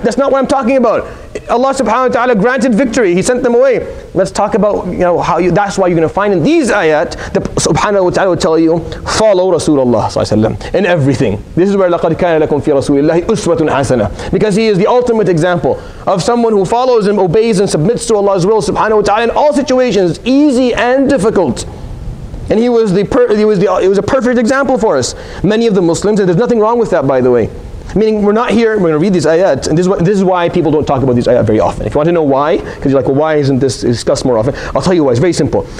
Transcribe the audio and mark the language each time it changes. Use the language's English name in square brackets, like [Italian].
[English] That's not what I'm talking about. Allah subhanahu wa ta'ala granted victory. He sent them away. Let's talk about, you know, how you, that's why you're going to find in these ayat, the subhanahu wa ta'ala will tell you, follow Rasulullah in everything. This is where [Arabic] لَقَدْ كَانَ لَكُمْ فِي رَسُولِ اللَّهِ أُسْوَةٌ حَسَنَةٌ. [English] Because he is the ultimate example of someone who follows and obeys and submits to Allah's will subhanahu wa ta'ala in all situations, easy and difficult. And he was a perfect example for us. Many of the Muslims, and there's nothing wrong with that, by the way. Meaning, we're not here, we're going to read these ayat, and this is why people don't talk about these ayat very often. If you want to know why, because you're like, well, why isn't this discussed more often? I'll tell you why. It's very simple.